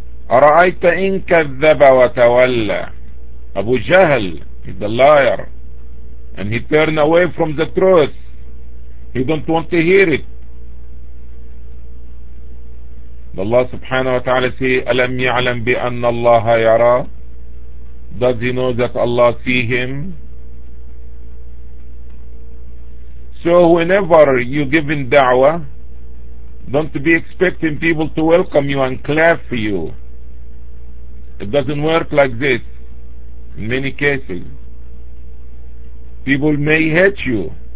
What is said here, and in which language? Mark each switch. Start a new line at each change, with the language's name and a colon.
Arabic: أرأيت إن كذب وتولى.
English: أبو جهل is a liar and he turned away from the truth, he don't want to hear it.
Arabic: الله سبحانه وتعالى say ألم يعلم بأن الله يرى.
English: Does he know that Allah see him? So whenever you give in da'wah, don't be expecting people to welcome you and clap for you. It doesn't work like this. In many cases, people may hate you.